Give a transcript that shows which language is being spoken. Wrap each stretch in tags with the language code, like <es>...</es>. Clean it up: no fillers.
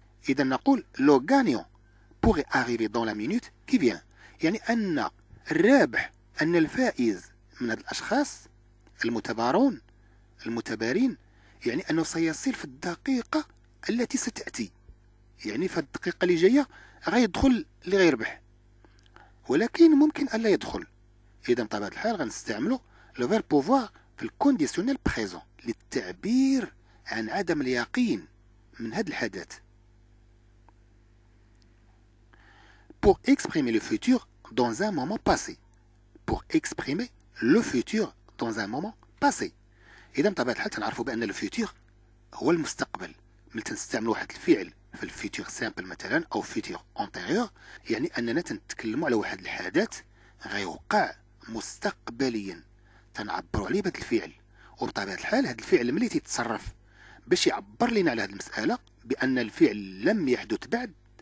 <ar>إذا نقول لو غانيون بوغي أغيفي دون لا مينوت كي فيان يعني أن الرابح أن الفائز من هاد الأشخاص المتبارون المتبارين يعني أنه سيصل في الدقيقة التي ستأتي يعني في الدقيقة اللي جاية غيدخل اللي غيربح ولكن ممكن ألا يدخل. إذا بطبيعة الحال غنستعملو لو فير بوفوار في الكونديسيونيل بريزون للتعبير عن عدم اليقين من هاد الحدث.</ar> <fr>Pour exprimer le futur dans un moment passé. Pour exprimer le futur dans un moment passé.</fr> <ar>إذا بطبيعة الحال تنعرفوا بأن لو فيتور هو المستقبل. ملي تنستعملوا واحد الفعل في الفيتور سامبل مثلا أو فيتور أونتيريور يعني أننا تنتكلموا على واحد الحدث غيوقع مستقبليا تنعبروا عليه بهذا الفعل. وبطبيعة الحال هذا الفعل ملي تيتصرف باش يعبر لنا على هذه المسألة بأن الفعل لم يحدث بعد.</ar>